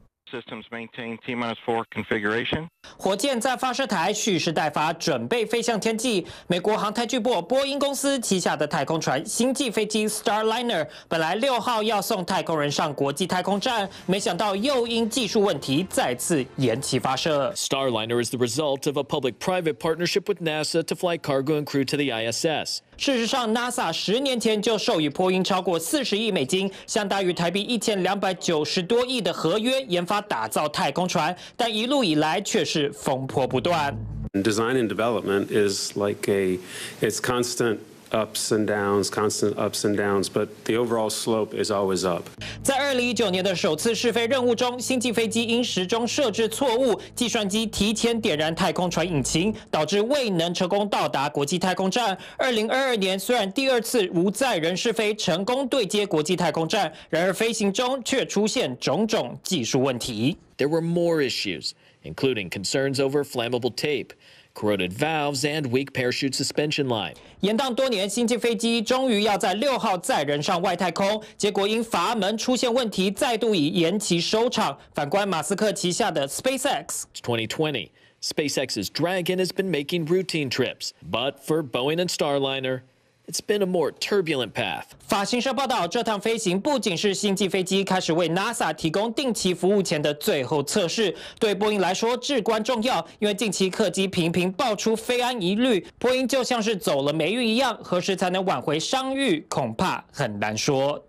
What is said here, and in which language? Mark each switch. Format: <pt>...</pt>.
<en>Systems maintain T-4 configuration.</en> <zh>火箭在发射台蓄势待发，准备飞向天际。美国航太巨擘波音公司旗下的太空船星际飞机 Starliner 本来六号要送太空人上国际太空站，没想到又因技术问题再次延期发射。</zh> <en>Starliner is the result of a public-private partnership with NASA to fly cargo and crew to the ISS.</en> <zh>事实上 ，NASA 十年前就授予波音超过40亿美金，相当于台币1290多亿的合约，研发打造太空船，但一路以来却是风波不断。</zh> <en>Design and development is like it's constant. Ups and downs, but the overall slope is always up.</en> <zh>在2019年的首次试飞任务中，星际飞机因时钟设置错误，计算机提前点燃太空船引擎，导致未能成功到达国际太空站。 2022年虽然第二次无载人试飞成功对接国际太空站，然而飞行中却出现种种技术问题。</zh> <en>There were more issues, including concerns over flammable tape. Corroded valves and weak parachute suspension line.</en> <zh>延宕多年，星际飞机终于要在六号载人上外太空，结果因阀门出现问题，再度以延期收场。反观马斯克旗下的 SpaceX,</zh> <en>2020, SpaceX's Dragon has been making routine trips, but for Boeing and Starliner. It's been a more turbulent path.</en> <zh>法新社报道，这趟飞行不仅是星际飞机开始为 NASA 提供定期服务前的最后测试，对波音来说至关重要。因为近期客机频频爆出飞安疑虑，波音就像是走了霉运一样，何时才能挽回商誉，恐怕很难说。</zh>